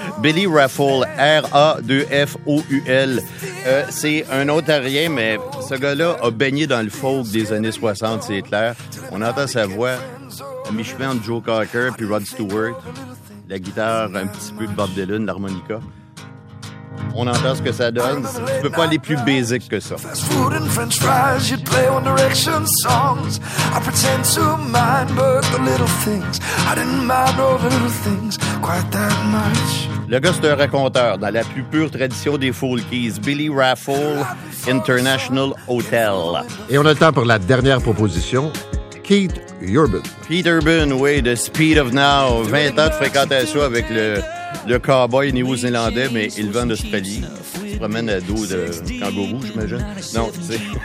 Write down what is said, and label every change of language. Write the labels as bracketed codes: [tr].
[fr] Billy Raffold, R-A-2-F-O-U-L. C'est un Ontarien, mais ce gars-là a baigné dans le folk des années 60, c'est clair. On entend sa voix à mi-chemin entre Joe Cocker et Rod Stewart. La guitare, un petit peu de Bob Dylan, l'harmonica. On entend ce que ça donne. Tu peux pas aller plus basic que ça. [en] Fast food and french fries, you'd play One Direction songs. I pretend to mind, but the little things. I didn't mind all the little things quite that much. [fr] Le gars, c'est un raconteur dans la plus pure tradition des Folkies. Billy Raffold, International Hotel. Et on a le temps pour la dernière proposition. Keith Urban. Keith Urban, oui, The Speed of Now. 20 ans de fréquentation avec le Le cowboy néo-zélandais, mais il vient d'Australie. Il se promène à dos de kangourou, j'imagine. Non, tu sais.